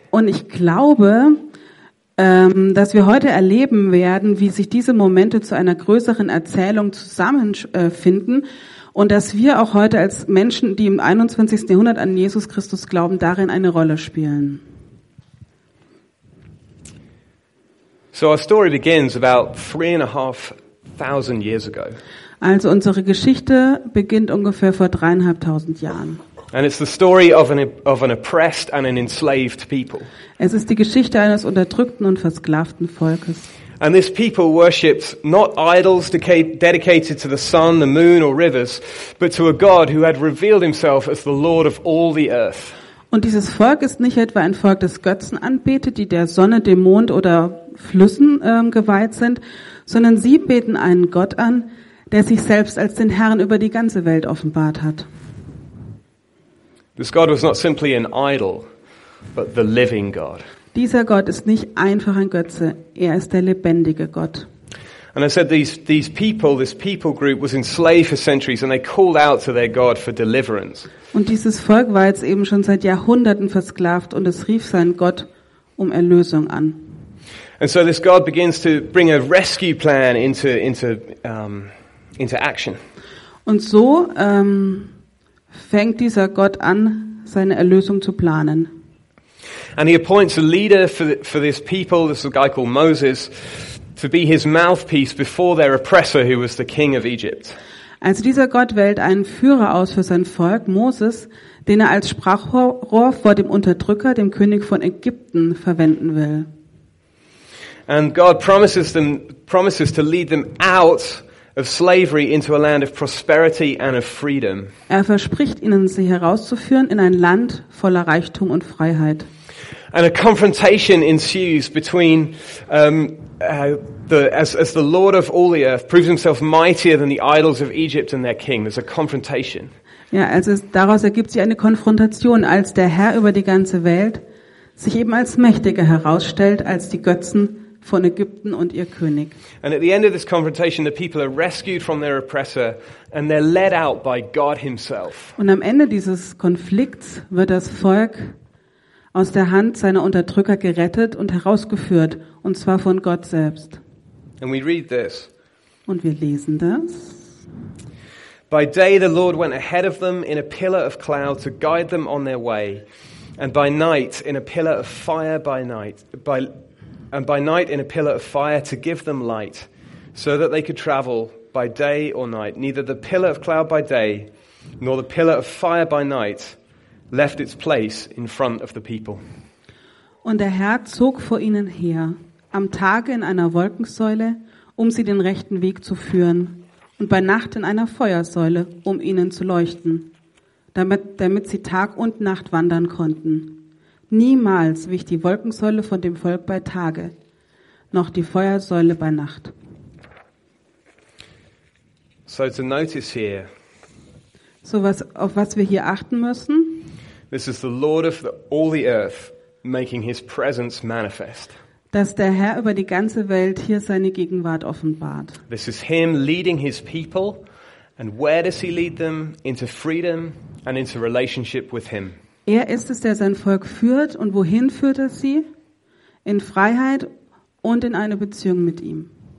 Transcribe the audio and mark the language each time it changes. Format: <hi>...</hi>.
<de>Und ich glaube, dass wir heute erleben werden, wie sich diese Momente zu einer größeren Erzählung zusammenfinden und dass wir auch heute als Menschen, die im 21. Jahrhundert an Jesus Christus glauben, darin eine Rolle spielen.</de> <en>So our story begins about 3,500 years ago.</en> <de>Also unsere Geschichte beginnt ungefähr vor 3,500 Jahren.</de> <en>And it's the story of an oppressed and an enslaved people.</en> <de>Es ist die Geschichte eines unterdrückten und versklavten Volkes.</de> <en>And this people worshipped not idols dedicated to the sun, the moon or rivers, but to a God who had revealed himself as the Lord of all the earth.</en> <de>Und dieses Volk ist nicht etwa ein Volk, das Götzen anbetet, die der Sonne, dem Mond oder Flüssen geweiht sind, sondern sie beten einen Gott an, der sich selbst als den Herrn über die ganze Welt offenbart hat.</de> <en>This God was not simply an idol, but the living God.</en> <de>Dieser Gott ist nicht einfach ein Götze, er ist der lebendige Gott.</de> <en>And I said these people, this people group was enslaved for centuries and they called out to their God for deliverance.</en> <de>Und dieses Volk war jetzt eben schon seit Jahrhunderten versklavt und es rief seinen Gott um Erlösung an.</de> <en>And so this God begins to bring a rescue plan into action.</en> <de>Und so fängt dieser Gott an, seine Erlösung zu planen.</de> <en>And he appoints a leader for this people, this is a guy called Moses, to be his mouthpiece before their oppressor who was the king of Egypt.</en> <de>Also dieser Gott wählt einen Führer aus für sein Volk, Moses, den er als Sprachrohr vor dem Unterdrücker, dem König von Ägypten, verwenden will.</de> <en>And God promises to lead them out of slavery into a land of prosperity and of freedom.</en> <de>Er verspricht ihnen, sie herauszuführen in ein Land voller Reichtum und Freiheit.</de> <en>And a confrontation ensues between as the Lord of all the earth proves himself mightier than the idols of Egypt and their king. There's a confrontation.</en> <de>Ja, also daraus ergibt sich eine Konfrontation, als der Herr über die ganze Welt sich eben als mächtiger herausstellt als die Götzen von Ägypten und ihr König.</de> <en>And at the end of this confrontation the people are rescued from their oppressor and they're led out by God himself.</en> <de>Und am Ende dieses Konflikts wird das Volk aus der Hand seiner Unterdrücker gerettet und herausgeführt, und zwar von Gott selbst.</de> <en>And we read this.</en> <de>Und wir lesen das.</de> <en>By day the Lord went ahead of them in a pillar of cloud to guide them on their way, and by night in a pillar of fire by night in a pillar of fire to give them light, so that they could travel by day or night. Neither the pillar of cloud by day nor the pillar of fire by night left its place in front of the people.</en> <de>Und der Herr zog vor ihnen her, am Tage in einer Wolkensäule, um sie den rechten Weg zu führen, und bei Nacht in einer Feuersäule, um ihnen zu leuchten, damit sie Tag und Nacht wandern konnten. Niemals wich die Wolkensäule von dem Volk bei Tage, noch die Feuersäule bei Nacht.</de> <en>So to notice here.</en> <de>So was, auf was wir hier achten müssen.</de> <en>This is the Lord of all the earth making his presence manifest.</en> <de>Dass der Herr über die ganze Welt hier seine Gegenwart offenbart.</de> <en>This is him leading his people, and where does he lead them? Into freedom and into relationship with him.</en> <de>Er ist es, der sein Volk führt, und wohin führt er sie? In Freiheit und in eine Beziehung mit ihm.</de>